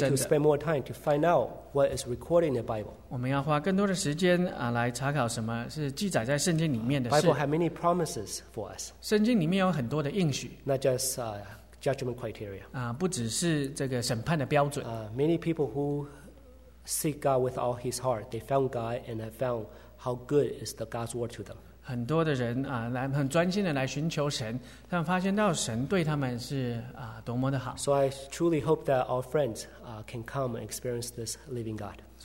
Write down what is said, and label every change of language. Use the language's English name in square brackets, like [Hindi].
[English] to spend more time to find out what is recorded in the Bible. [Chinese] 我们要花更多的时间来查考什么是记载在圣经里面的事。 [English] Bible has many promises for us. [Chinese] 圣经里面有很多的应许。 [English] Not just judgment criteria. [Chinese] 不只是这个审判的标准。 [English] Many people who seek God with all his heart, they found God and have found how good is the God's word to them. [Chinese] 很多的人很专心的来寻求神，他们发现到神对他们是多么的好。 [English] So I truly hope that our friends can come and experience this living God.